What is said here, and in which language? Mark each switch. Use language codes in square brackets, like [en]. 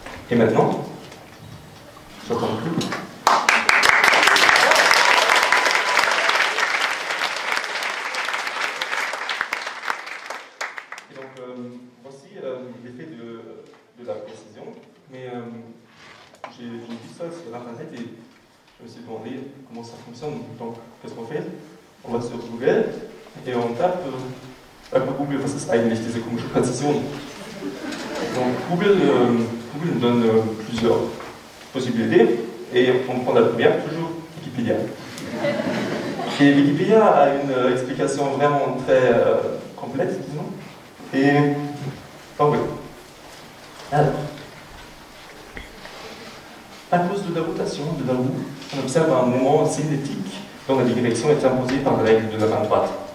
[fr] Et maintenant, et donc voici l'effet de la précision, mais j'ai vu ça sur l'internet et je me suis demandé comment ça fonctionne. Donc qu'est-ce qu'on fait? On va sur Google et on tape Google, [de] was ist eigentlich diese komische Präzision? [fr] Donc Google donne plusieurs possibilités. Et on prend la première, toujours Wikipédia. Et Wikipédia a une explication vraiment très complète, disons. Et, oh oui. Alors, à cause de la rotation de la roue, on observe un moment cinétique dont la direction est imposée par la règle de la main droite.